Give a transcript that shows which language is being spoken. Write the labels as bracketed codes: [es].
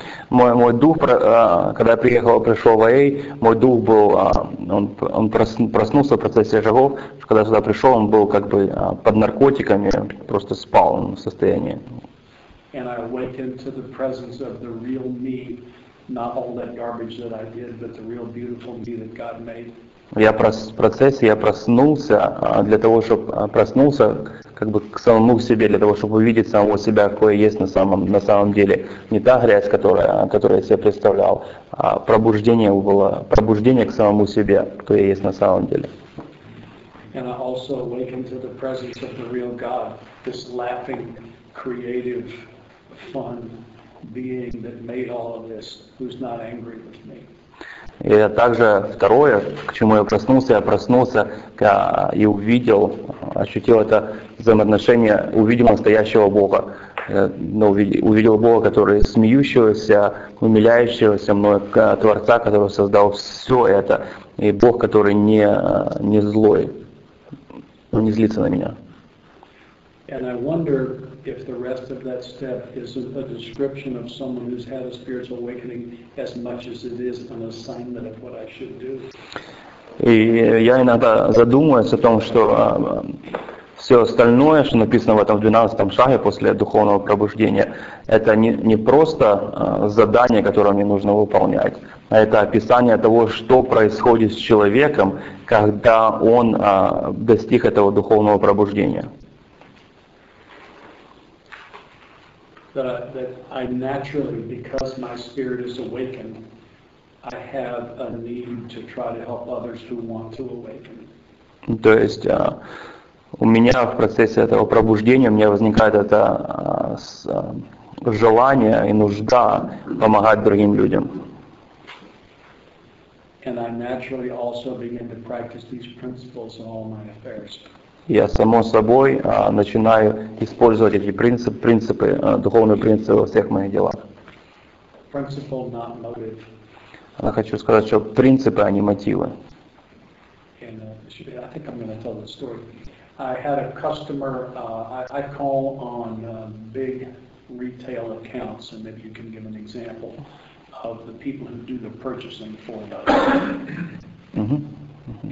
[ru] Мой дух, когда я пришел в АА, мой дух был, он проснулся в процессе шагов. Когда я сюда пришел, он был как бы под наркотиками, просто спал в состоянии. [en] And I awakened to the presence of the real me, not all that garbage that I did, but the real beautiful me that God made. [ru] Я в процессе, я проснулся для того, чтобы проснулся как бы к самому себе, для того, чтобы увидеть самого себя, какое есть на самом деле. Не та грязь, которую я себе представлял, а пробуждение было, пробуждение к самому себе, кто я есть на самом деле. [en] And I also awakened to the presence of the real God, this laughing, creative, fun being that made all of this, who's not angry with me. [ru] И также второе, к чему я проснулся и увидел, ощутил это взаимоотношение, увидел настоящего Бога. Увидел Бога, который смеющегося, умиляющегося мной, Творца, который создал все это, и Бог, который не злой, не злится на меня. [en] And I wonder if the rest of that step is a description of someone who's had a spiritual awakening as much as it is an assignment of what I should do. [ru] И я иногда задумываюсь о том, что Все остальное, что написано в этом 12-м шаге после духовного пробуждения, это не просто задание, которое мне нужно выполнять, а это описание того, что происходит с человеком, когда он достиг этого духовного пробуждения. [en] That I naturally, because my spirit is awakened, I have a need to try to help others who want to awaken. [ru] То есть у меня в процессе этого пробуждения у меня возникает это желание и нужда помогать другим людям. [en] And I naturally also begin to practice these principles in all my affairs. [ru] Я само собой начинаю использовать эти принципы, духовные принципы во всех моих делах. [en] Principle, not motive. [ru] Я хочу сказать, что принципы, а не мотивы. [en] I think I'm going to tell the story. I had a customer, I call on big retail accounts, and maybe you can give an example of the people who do the purchasing for those. Mm-hmm. Mm-hmm.